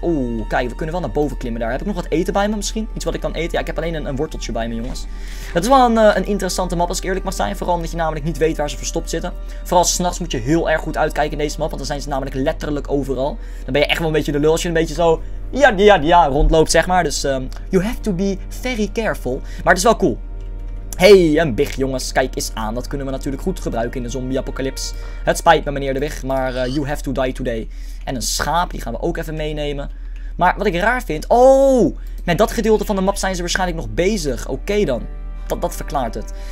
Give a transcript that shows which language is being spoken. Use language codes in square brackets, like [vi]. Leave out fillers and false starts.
[nl] Oeh, kijk, we kunnen wel naar boven klimmen daar. Heb ik nog wat eten bij me misschien? Iets wat ik kan eten? Ja, ik heb alleen een worteltje bij me, jongens. Dat is wel een interessante map, als ik eerlijk mag zijn. Vooral omdat je namelijk niet weet waar ze verstopt zitten. Vooral s'nachts moet je heel erg goed uitkijken in deze map. Want dan zijn ze namelijk letterlijk overal. Dan ben je echt wel een beetje de lul als je een beetje zo... Ja, rondloopt, zeg maar. [en] Dus you have to be very careful. [nl] Maar het is wel cool. Hey, een big, jongens. Kijk eens aan. Dat kunnen we natuurlijk goed gebruiken in de zombie-apocalypse. Het spijt me, meneer de big, maar [en] you have to die today. [nl] En een schaap, die gaan we ook even meenemen. Maar wat ik raar vind... Oh, met dat gedeelte van de map zijn ze waarschijnlijk nog bezig. Oké, dan. Dat verklaart het.